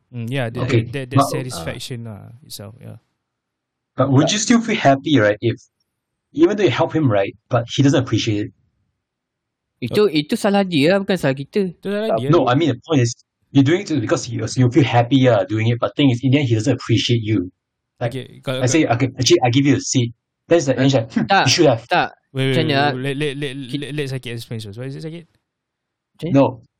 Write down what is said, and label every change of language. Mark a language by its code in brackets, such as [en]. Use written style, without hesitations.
[en] Yeah, the satisfaction itself. Yeah. But would you still feel happy, right? If even though you help him, right, but he doesn't appreciate it. [ms] Itu salah dia, bukan salah kita. Itu salah dia. [en] No, I mean the point is you're doing it because you feel happy, doing it. But thing is, in the end, he doesn't appreciate you. Actually, I give you a seat. That's the answer. You should have. [ms] Tak. [en] Wait, let Sakit explain first. What is it, Sakit? No.